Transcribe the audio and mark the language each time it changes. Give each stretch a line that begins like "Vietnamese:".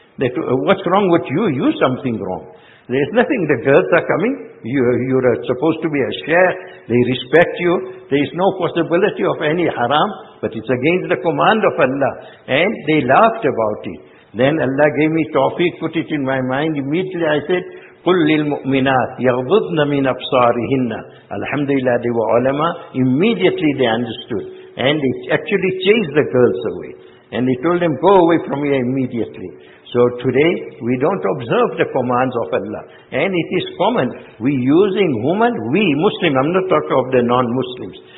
English: They said, what's wrong with you? You something wrong. There's nothing. The girls are coming. You're supposed to be a sheikh. They respect you. There is no possibility of any haram. But it's against the command of Allah. And they laughed about it. Then Allah gave me tawfiq, put it in my mind. Immediately I said,
Arabic: قُلْ لِلْمُؤْمِنَاتِ يَغْضُضْنَ مِنْ أَبْصَارِهِنَّ.
English: Alhamdulillah, they were ulama. Immediately they understood. And they actually chased the girls away. And they told them, go away from here immediately. So today, we don't observe the commands of Allah. And it is common. We using woman, we Muslim, I'm not talking of the non-Muslims.